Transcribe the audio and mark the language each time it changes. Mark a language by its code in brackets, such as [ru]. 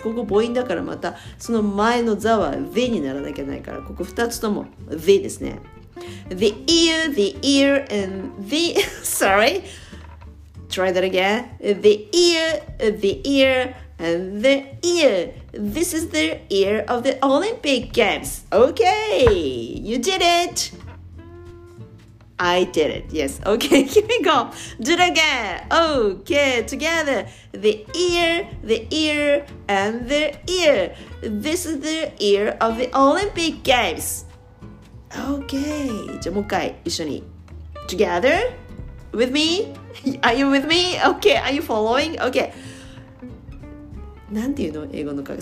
[ja] ここ母音だから、またその前の座は the にならなきゃないから、ここ2つとも the ですね。 [en] The ear, the ear, and the sorry, try that again. The ear, the ear, and the ear. This is the ear of the Olympic Games. Okay, you did itI did it. Yes. Okay. Here we go. Do it again. Okay. Together. The ear, the ear, and the ear. This is the ear of the Olympic Games. Okay. [ja] じゃあもう一回一緒に。 [en] Together. With me. Are you with me? Okay. Are you following? Okay. [ja] なんていうの英語の格。